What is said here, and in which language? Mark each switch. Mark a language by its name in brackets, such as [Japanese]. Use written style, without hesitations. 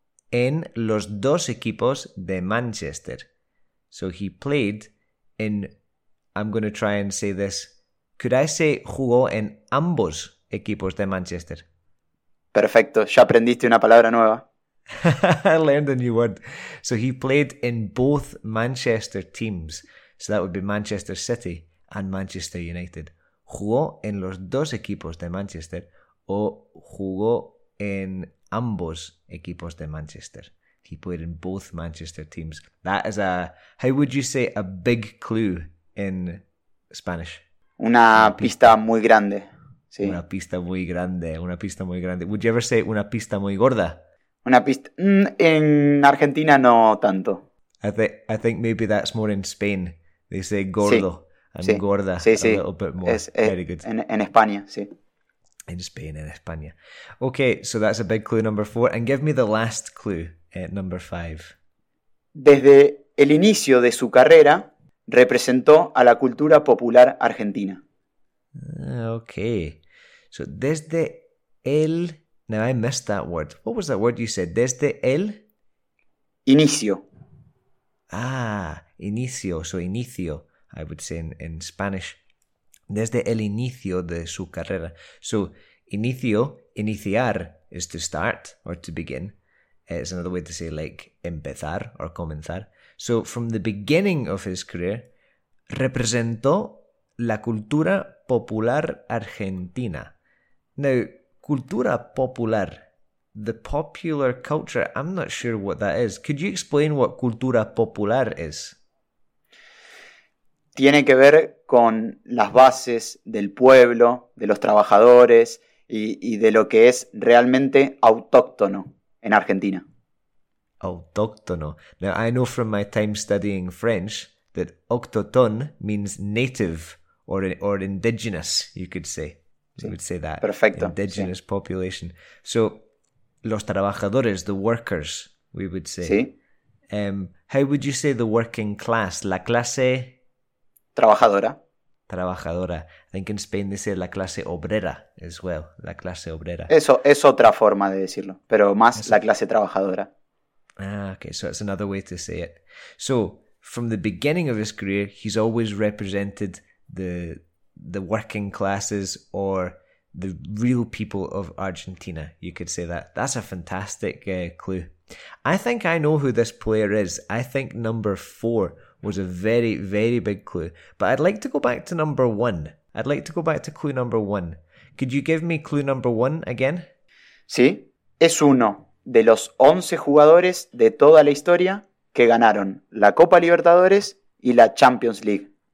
[Spanish] en los dos equipos de Manchester. [English] So he played in, I'm going to try and say this, could I say [Spanish] jugó en ambos equipos de Manchester? Perfecto, ya aprendiste una palabra nueva. [English] I learned a new word. So he played in both Manchester teams. So that would be Manchester City and Manchester United. [Spanish] Jugó en los dos equipos de Manchester o jugó en ambos equipos de Manchester. [English] He played in both Manchester teams. That is a, how would you say, a big clue in Spanish? [Spanish] Una pista muy grande. Sí. Una pista muy grande. [English] Would you ever say [Spanish] una pista muy gorda? Una pista. En Argentina no tanto. [English] I think maybe that's more in Spain. They say gordo and gorda a little bit more. Very good. [Spanish] En España, sí. [English] In Spain. Okay, so that's a big clue number four. And give me the last clue at number five. [Spanish] Desde el inicio de su carrera, representó a la cultura popular argentina. [English] Okay. So [Spanish] desde el... [English] Now I missed that word. What was that word you said? [Spanish] Desde el... Inicio. [English] Ah, inicio. So inicio, I would say in Spanish. [Spanish] Desde el inicio de su carrera. [English] So inicio, iniciar, is to start or to begin. It's another way to say like empezar or comenzar. So from the beginning of his career, [Spanish] representó la cultura popular argentina. [English] Now, cultura popular, the popular culture, I'm not sure what that is. Could you explain what cultura popular is? [Spanish] Tiene que ver con las bases del pueblo, de los trabajadores y de lo que es realmente autóctono en Argentina. Autóctono. [English] Now, I know from my time studying French that octoton means native or indigenous, you could say. You would say that. [Spanish] Perfecto. [English] Indigenous population. So, [Spanish] los trabajadores, [English] the workers, we would say. [Spanish] Sí. [English] How would you say the working class? La clase... [Spanish] Trabajadora. [English] I think in Spain they say [Spanish] la clase obrera [English] as well. [Spanish] La clase obrera. Eso es otra forma de decirlo, pero más la clase trabajadora. [English] Ah, okay. So, that's another way to say it. So, from the beginning of his career, he's always represented the working classes or the real people of Argentina. You could say that. That's a fantastic clue. I think I know who this player is. I think number four was a very, very big clue. But I'd like to go back to number one. I'd like to go back to clue number one. Could you give me clue number one again? [Spanish] Sí, es uno de los 11 jugadores de toda la historia que ganaron la Copa Libertadores y la Champions League.